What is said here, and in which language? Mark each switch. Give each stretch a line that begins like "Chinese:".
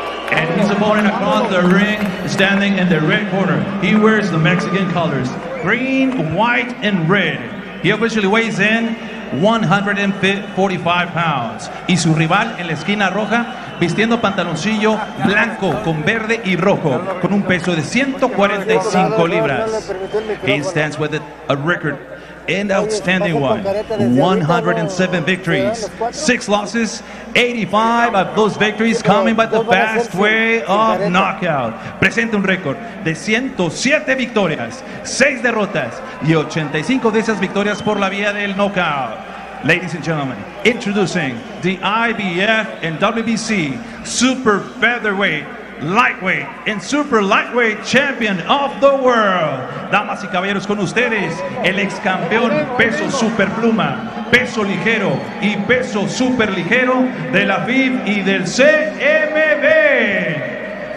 English: Across the ring, standing in the red corner, he wears the Mexican colors, green, white, and red. He officially weighs in 145 pounds.
Spanish: Y su rival en la esquina roja, vistiendo pantaloncillo blanco con verde y rojo, con un peso de 145 libras.
English: He stands with a record, an outstanding one, 107 victories, 6 losses, 85 of those victories coming by the fast way of knockout.
Spanish: Presenta un récord de 107 victorias, 6 derrotas y 85 de esas victorias por la vía del knockout.
English: Ladies and gentlemen, introducing the IBF and WBC super featherweight, lightweight and super lightweight champion of the world.
Spanish: Damas y caballeros, con ustedes, el ex campeón peso super pluma, peso ligero y peso super ligero de la FIB y del CMB.